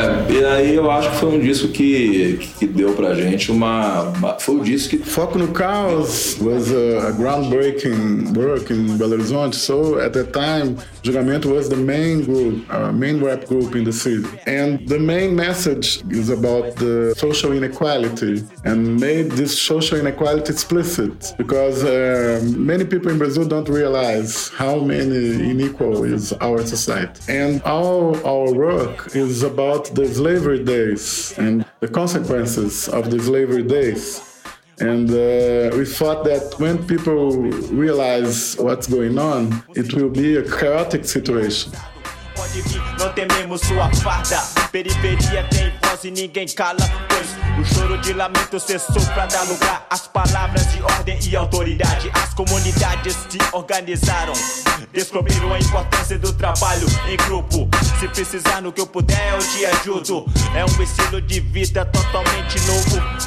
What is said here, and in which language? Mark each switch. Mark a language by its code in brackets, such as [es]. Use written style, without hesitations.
[pt] E aí eu acho que foi um disco que deu pra gente uma foi o disco que... [en] Foco no Caos was a groundbreaking work in Belo Horizonte. So at that time, Julgamento was the main group, main rap group in the city. And the main message is about the social inequality and made this social inequality explicit. Because many people in Brazil don't realize how many unequal is our society. And all our work is about the slavery days and the consequences of the slavery days. And we thought that when people realize what's going on, it will be a chaotic situation. [pt] Pode vir, não tememos sua farda. Periferia tem voz e ninguém cala. Pois o choro de lamento cessou pra dar lugar às palavras de ordem e autoridade. As comunidades se organizaram, descobriram a importância do trabalho em grupo. Se precisar no que eu puder, eu te ajudo. É um estilo de vida totalmente novo.